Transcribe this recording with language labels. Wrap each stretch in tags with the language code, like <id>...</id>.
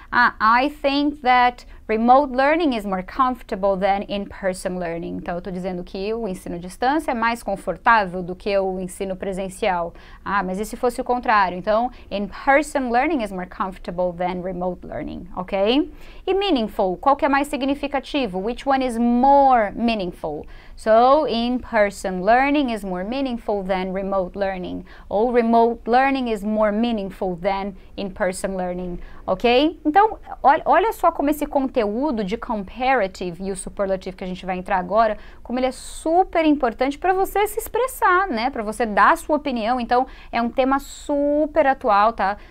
<en>I think that remote learning is more comfortable than in-person learning.</en> <pt>Então, eu estou dizendo que o ensino à distância é mais confortável do que o ensino presencial. Ah, mas e se fosse o contrário? Então,</pt> <en>in-person learning is more comfortable than remote learning, ok?</en> <pt>E meaningful, qual que é mais significativo?</pt> <en>Which one is more meaningful? So, in-person learning is more meaningful than remote learning. Ou remote learning is more meaningful than in-person learning, ok?</en> <pt>Então, olha só como esse conteúdo de comparative e o superlative que a gente vai entrar agora, como ele é super importante para você se expressar, né? Para você dar a sua opinião. Então, é um tema super atual, tá?</pt>